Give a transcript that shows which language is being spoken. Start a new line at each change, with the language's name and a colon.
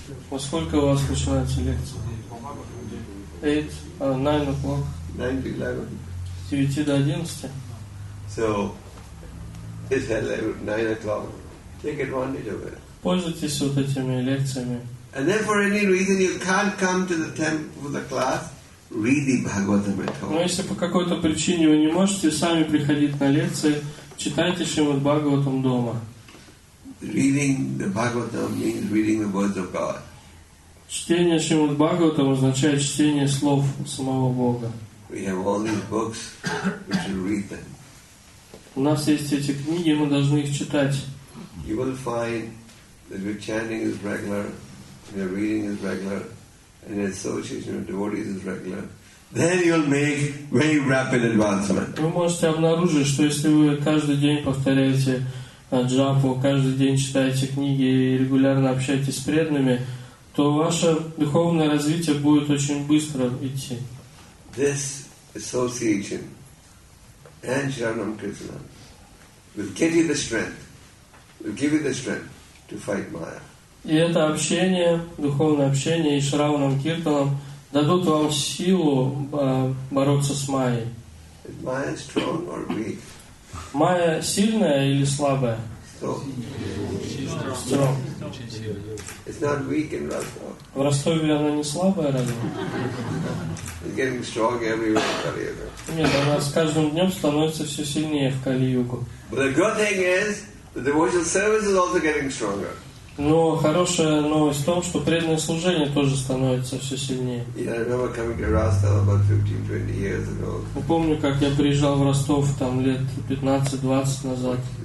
Russian: Во сколько у вас начинаются лекции?
English: 9 o'clock. 9 to 11.
Russian: С 9 до 11.
English: So, it's 9 o'clock. Take advantage of it.
Russian: Пользуйтесь вот этими лекциями.
English: And then for any reason you can't come to the temple for the class, read the Bhagavatam at home.
Russian: Но если по какой-то причине вы не можете сами приходить на лекции, читайте Шримад Бхагаватам дома.
English: Reading the Bhagavatam means reading the words of God.
Russian: Чтение Шримад Бхагаватам означает чтение слов самого Бога.
English: We have all these books, we should read them.
Russian: У нас есть эти книги, мы должны их читать.
English: You will find that your chanting is regular, your reading is regular, and your association with devotees is regular. Then you'll make very rapid advancement.
Russian: Вы можете обнаружить, что если вы каждый день повторяете джапу, каждый день читаете книги и регулярно общаетесь с преданными, то ваше духовное развитие будет очень быстро идти.
English: This association and Sharanam Krishna will give you the strength, will give you the strength to fight Maya.
Russian: И это общение, духовное общение и Шраванам Киртанам дадут вам силу бороться с Майей.
English: Is Maya strong or weak?
Russian: Майя сильная или слабая?
English: Strong. It's not weak in Rostov.
Russian: В Ростове она не слабая, разве?
English: It's getting strong everywhere in Kali-Yuga.
Russian: Нет, она с каждым днем становится все сильнее в Кали-Югу.
English: But the good thing is that the devotional service is also getting stronger.
Russian: Но хорошая новость в том, что преданное служение тоже становится все сильнее.
English: Yeah, I remember coming to Rostov about 15-20 years ago.
Russian: Помню, как я приезжал в Ростов там лет 15-20 назад.